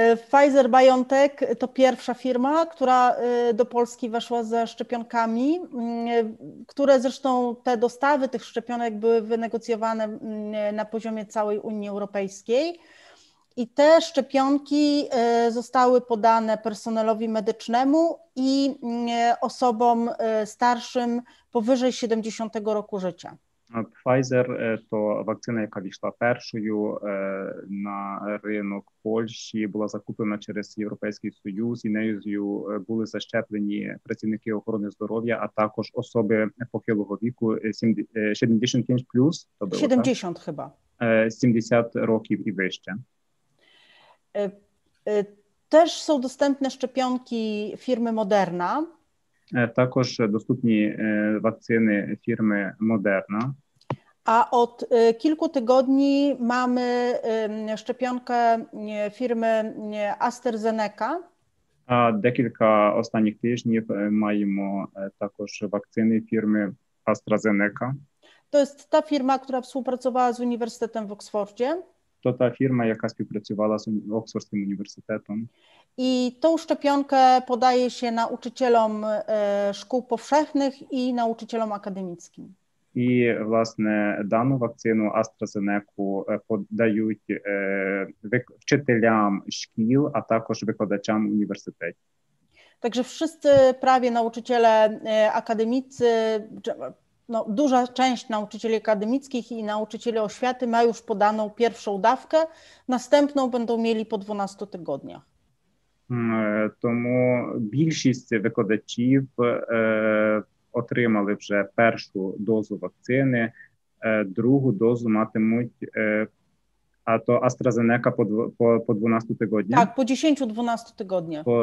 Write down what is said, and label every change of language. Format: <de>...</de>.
<pl>Pfizer BioNTech to pierwsza firma, która do Polski weszła ze szczepionkami, które zresztą te dostawy tych szczepionek były wynegocjowane na poziomie całej Unii Europejskiej. I te szczepionki zostały podane personelowi medycznemu i osobom starszym powyżej 70 roku życia.</pl> <uk>Pfizer to вакцина, яка війшла першою на ринок Польщі, була закуплена через Європейський Союз, і нею були защеплені працівники охорони здоров'я, а також особи похилого віку 75+, то було 70 хіба. 70 років і вище.</uk> <pl>Też są dostępne szczepionki firmy Moderna.</pl> <uk>Також доступні вакцини фірми Moderna.</uk> <pl>A od kilku tygodni mamy szczepionkę firmy AstraZeneca.</pl> <uk>A декілька останніх тижнів маємо також вакцини фірми AstraZeneca.</uk> <pl>To jest ta firma, która współpracowała z Uniwersytetem w Oksfordzie. To ta firma, jaka współpracowała z Oksfordzkim Uniwersytetem. I tą szczepionkę podaje się nauczycielom szkół powszechnych i nauczycielom akademickim.</pl> <uk>І, власне, дану вакцину AstraZeneca подають вчителям шкіл, а також викладачам університетів.</uk> <pl>Także wszyscy prawie nauczyciele akademicy, no, duża część nauczycieli akademickich i nauczycieli oświaty ma już podaną pierwszą dawkę, następną będą mieli po 12 tygodniach.</pl> <uk>Тому більшість викладачів отримали вже першу дозу вакцини, другу дозу матимуть, а то AstraZeneca по 12 тижнів. Так, по 10-12 тижнів.</uk>